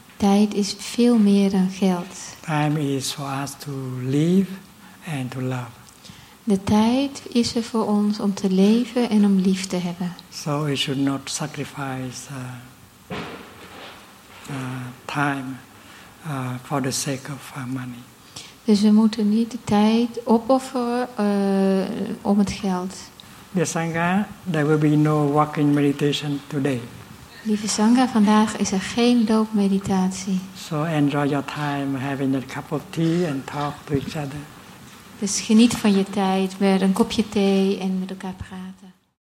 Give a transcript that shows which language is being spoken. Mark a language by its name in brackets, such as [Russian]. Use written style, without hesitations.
[Dutch] Tijd is veel meer dan geld. [English] Time is for us to live and to love. [Dutch] De tijd is er voor ons om te leven en om lief te hebben. [English] So we should not sacrifice time for the sake of money. [Dutch] Dus we moeten niet de tijd opofferen om het geld. [English] Dear Sangha, there will be no walking meditation today. [Dutch] Lieve Sangha, vandaag is er geen loopmeditatie. [English] So enjoy your time having a cup of tea and talk to each other. [Dutch] Dus geniet van je tijd met een kopje thee en met elkaar praten.